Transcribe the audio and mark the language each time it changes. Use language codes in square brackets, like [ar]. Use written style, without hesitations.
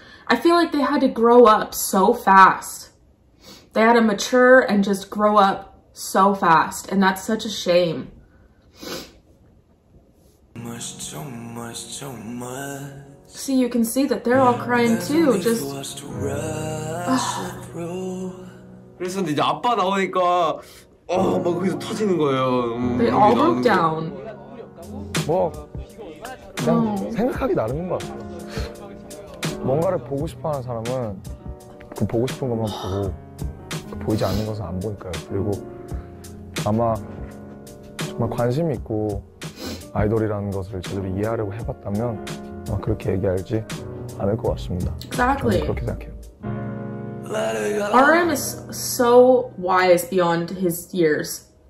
[en] I feel like they had to grow up so fast. They had to mature and just grow up so fast, and that's such a shame. See, you can see that they're all crying too. Just. [ko] 그래서 이제 아빠 나오니까 막 거기서 터지는 거예요. [en] They all broke down. [ko] 뭐 그냥 생각하기 나름인 것 같아요. 뭔가를 보고 싶어하는 사람은 그 보고 싶은 것만 보고. 보이지 않는 것은 안 보니까요. 그리고 아마 정말 관심 있고 아이돌이라는 것을 제대로 이해하려고 해봤다면 아마 그렇게 얘기하지 않을 것 같습니다. [en] Exactly. [ko] 그렇게 생각해요. [en] RM is so wise beyond his years.